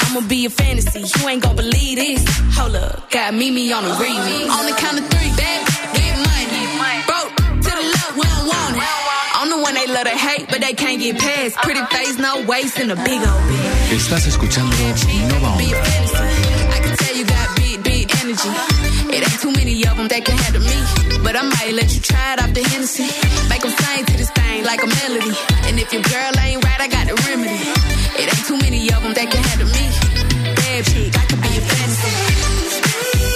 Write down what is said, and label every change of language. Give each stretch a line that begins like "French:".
English: I'ma be a fantasy, you ain't gon' believe this. Hold up, got Mimi on a remix. On the count of three, bad, get money. Broke, to the left, we don't want it. I'm the one they love to hate, but they can't get past. Pretty face, no waste, and a big old bitch.
Spanish: Estás escuchando Nova Onda.
English: I can tell you got big energy. It ain't too many of them that can handle me, but I might let you try it off the Hennessy. Make them sing to this thing like a melody. And if your girl ain't right, I got a remedy. It ain't too many of them that can handle me. Bad chick, I could be a fantasy.